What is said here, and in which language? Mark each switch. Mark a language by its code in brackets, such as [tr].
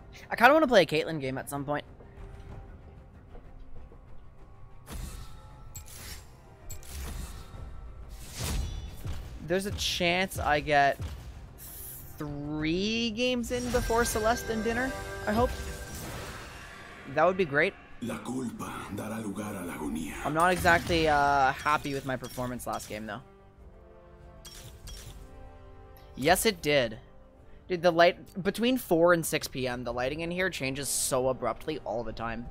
[en] I kind of want to play a Caitlyn game at some point. There's a chance I get 3 games in before Celeste and dinner, I hope. That would be great. [es] La culpa dará lugar a la agonía. [en] I'm not exactly happy with my performance last game, though. Yes, it did. Dude, the light... between 4 and 6 p.m., the lighting in here changes so abruptly all the time.